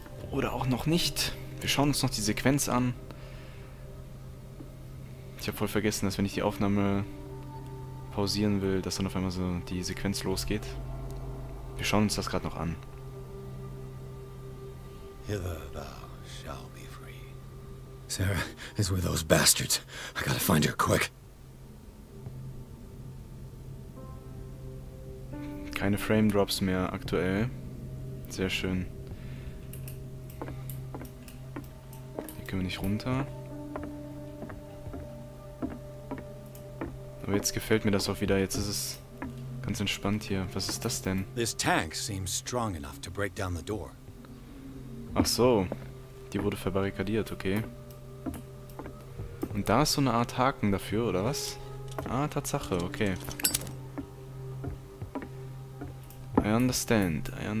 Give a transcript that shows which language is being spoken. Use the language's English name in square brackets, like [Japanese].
[German] Oder auch noch nicht. Wir schauen uns noch die Sequenz an. Ich habe voll vergessen, dass wenn ich die Aufnahme pausieren will, dass dann auf einmal so die Sequenz losgeht. Wir schauen uns das gerade noch an. [English] Hither thou shall be free. Sarah is with those bastards. I gotta find her quick. [German] Keine Frame Drops mehr aktuell. Sehr schön. Können wir nicht runter. Aber jetzt gefällt mir das auch wieder. Jetzt ist es ganz entspannt hier. Was ist das denn? [English] This tank seems strong enough to break down the door. [German] Ach so. Die wurde verbarrikadiert, okay. Und da ist so eine Art Haken dafür, oder was? Ah, Tatsache, okay. [English] I understand.